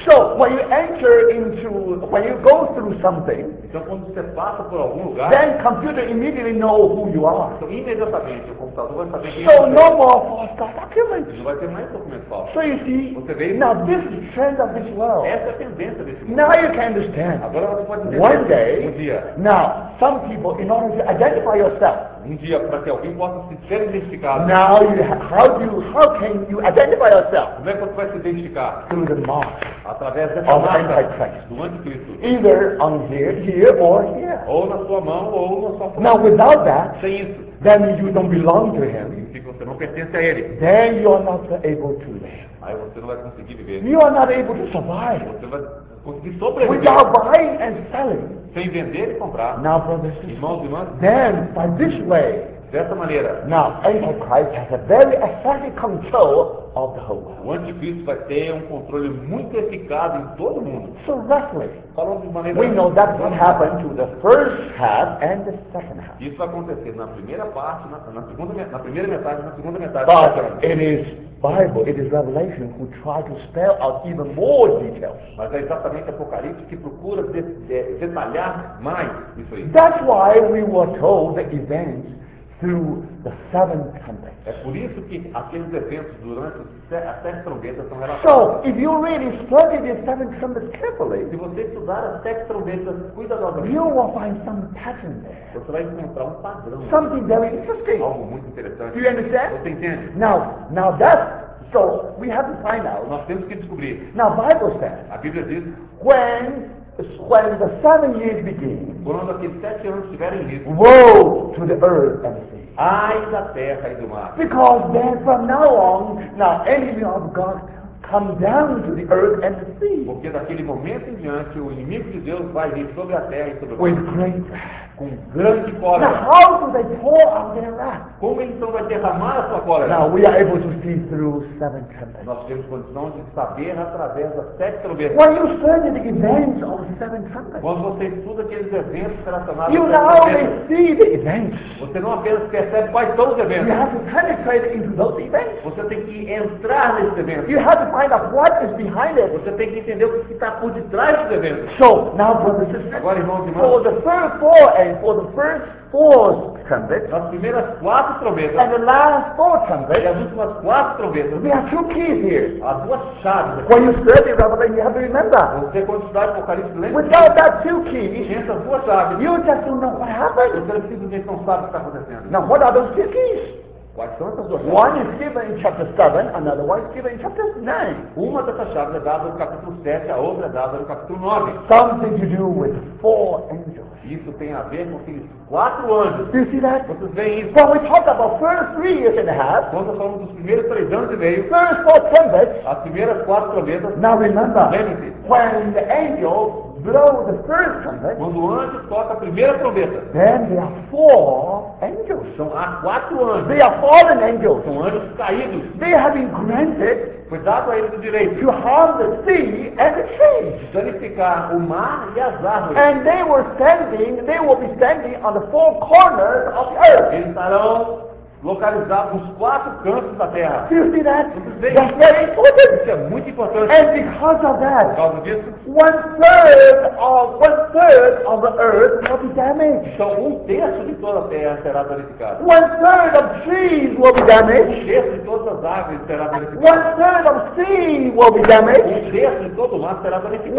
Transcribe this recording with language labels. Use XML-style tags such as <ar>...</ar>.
<en>So when you enter into, when you go through something,</en> <pt>então quando você passa por algum lugar,</pt> <en>then computer immediately know who you are.</en> <pt>Então imediatamente o computador vai saber quem</pt> <en>so</en> <pt>é.</pt> <en>So no more false documents.</en> <pt>Não vai ter mais documento falso.</pt> <en>So you see.</en> <pt>Você vê?</pt> <en>Now this is the trend of this world.</en> <pt>Essa é a tendência desse mundo.</pt> <en>Now you can understand.</en> <pt>Agora você pode entender.</pt> <en>One day,</en> <pt>um dia,</pt> <en>now some people, in order to identify yourself,</en> <pt>um dia para que alguém possa se ser identificado.</pt> <en>Now you, how can you identify yourself?</en> <pt>Como é que você vai se identificar?</pt> <en>Through the mark.</en> <pt>Através dessa</pt> <en>of</en> <pt>marca. Do anticristo.</pt> <en>Either on here or here.</en> <pt>Ou na sua mão ou na sua mão.</pt> <en>Now without that,</en> <pt>sem isso,</pt> <en>then you don't belong to him.</en> <pt>Você não pertence a ele.</pt> <en>Then you are not able to live.</en> <pt>Aí você não vai conseguir viver.</pt> <en>You are not able to survive.</en> <pt>Você vai conseguir sobreviver.</pt> <en>Without buying and selling.</en> <pt>Sem vender e comprar.</pt> <en>Now, brothers,</en> <pt>irmãos e irmãs.</pt> <en>Then, by this way.</en> <pt>Dessa maneira.</pt> <en>Now, Antichrist has a very effective control of the whole world.</en> <pt>O anticristo vai ter um controle muito eficaz em todo o mundo.</pt> <en>So roughly.</en> <pt>Falando de maneira.</pt> <en>We know that what happened to the first half and the second half.</en> <pt>Isso vai acontecer na primeira parte, na primeira metade, na segunda metade.</pt> <en>But it is Bible, it is Revelation who try to spell out even more details.</en> <pt>Mas é exatamente Apocalipse que procura detalhar mais isso aí.</pt> <en>That's why we were told the events through the seven trumpets.</en> <pt>É por isso que aqueles eventos durante as sete trombetas são relatados.</pt> <en>So, if you really study the seven trumpets carefully,</en> <pt>se você estudar as sete trombetas cuidadosamente,</pt> <en>you will find some pattern there.</en> <pt>Você vai encontrar um padrão.</pt> <en>Something very interesting.</en> <pt>Algo muito interessante.</pt> <en>Do you understand?</en> <pt>Você entende?</pt> <en>Now that's so we have to find out.</en> <pt>Nós temos que descobrir.</pt> <en>Now, Bible says.</en> <pt>A Bíblia diz.</pt> <en>When the 7 years begin,</en> <pt>quando aqueles 7 anos tiverem início,</pt> <en>woe to the earth and the sea.</en> <pt>Ai da terra e do mar.</pt> <en>Because then from now on, now enemy of God come down to the earth and the sea.</en> <pt>Porque daquele momento em diante o inimigo de Deus vai vir sobre a terra e sobre o mar.</pt> <en>With great,</en> <pt>com grande cólera.</pt> <en>Now how do they pour out their wrath?</en> <pt>Como eles vão derramar a sua cólera?</pt> <en>Now we are able to see through seven trumpets.</en> <pt>Nós temos condição de saber através das sete trombetas.</pt> <en>When you study the events of the seven trumpets,</en> <pt>quando você estuda aqueles eventos relacionados,</pt> <en>you now may see the events.</en> <pt>Você não apenas percebe quais são os eventos.</pt> <en>You have to penetrate into those events.</en> <pt>Você tem que entrar nesses eventos.</pt> <en>You have to find out what is behind it.</en> <pt>Você tem que entender o que está por detrás do evento.</pt> <en>So, now, brothers and sisters, for the first four trumpets,</en> <pt>as primeiras quatro trombetas,</pt> <en>and the last four trumpets,</en> <pt>e as últimas quatro trombetas,</pt> <en>there are two keys here.</en> <pt>Há duas chaves aqui.</pt> <en>When you study Revelation, you have to remember.</en> <pt>Você, quando estudar Apocalipse, lembra?</pt> <en>Without that two keys,</en> <pt>e essas duas chaves,</pt> <en>you just don't know what happened.</en> <pt>Você simplesmente não sabe o que está acontecendo.</pt> <en>Now, what are those two keys?</en> <pt>Quais são essas duas chaves?</pt> <en>One is given in chapter 7, another one is given in chapter 9.</en> <pt>Uma dessas chaves é dada no capítulo 7, a outra é dada no capítulo 9.</pt> <en>Something to do with four angels.</en> <pt>Isso tem a ver com aqueles quatro anjos.</pt> <en>Do you see that?</en> <pt>Vocês veem isso?</pt> <en>When we talk about first 3 years and a half,</en> <pt>quando falamos dos primeiros 3 anos e meio,</pt> <en>first four trumpets,</en> <pt>as primeiras quatro trombetas,</pt> <en>now remember,</en> <pt>lembre-se,</pt> <en>when the angel blow the first trumpet,</en> <pt>quando o anjo toca a primeira trombeta,</pt> <en>then there are four angels.</en> <pt>São, há quatro anjos.</pt> <en>They are fallen angels.</en> <pt>São anjos caídos.</pt> <en>They have been granted,</en> <pt>foi dado a eles o direito,</pt> <en>to harm the sea and the trees,</en> <pt>danificar o mar e as árvores.</pt> <en>And they were standing, they will be standing on the four corners of the earth.</en> <pt>Eles estarão localizados nos quatro cantos da terra.</pt> <en>Do you see that? That's very important.</en> <pt>Isso é muito importante.</pt> <en>And because of that,</en> <pt>por causa disso,</pt> <en>one third of the earth will be damaged.</en> <pt>Então, um terço de toda a terra será danificada.</pt> <en>One third of trees will be damaged.</en> <pt>Um terço de todas as árvores será danificado.</pt> <en>One third of sea will be damaged.</en> <pt>Um terço de todo o mar será danificado.</pt>